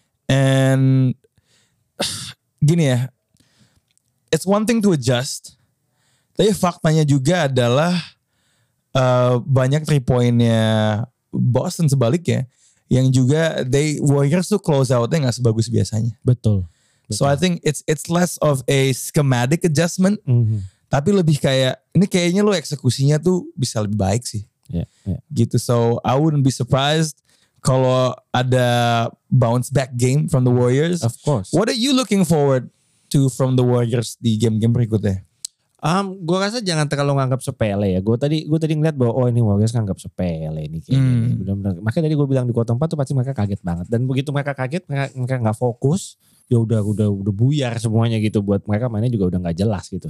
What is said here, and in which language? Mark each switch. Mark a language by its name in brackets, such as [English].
[English] And [Indonesian] gini ya, [English] it's one thing to adjust. [Indonesian] Tapi faktanya juga adalah banyak 3 pointnya Boston sebaliknya. Yang juga they Warriors tuh close outnya gak sebagus biasanya. Betul. [English] So I think it's less of a schematic adjustment, [Indonesian] tapi lebih kayak ini kayaknya lo eksekusinya tuh bisa lebih baik sih. Gitu. [English] So I wouldn't be surprised [Indonesian] kalau ada [English] bounce back game from the Warriors. Of course. What are you looking forward to from the Warriors [Indonesian] di game-game berikutnya? Gue rasa jangan terlalu nganggap sepele ya. Gue tadi ngeliat bahwa oh ini Warriors nganggap sepele nih kayaknya. Benar-benar. Makanya tadi gue bilang di quarter 4 tuh pasti mereka kaget banget. Dan begitu mereka kaget, mereka nggak fokus. Ya udah buyar semuanya gitu. Buat mereka mainnya juga udah gak jelas gitu.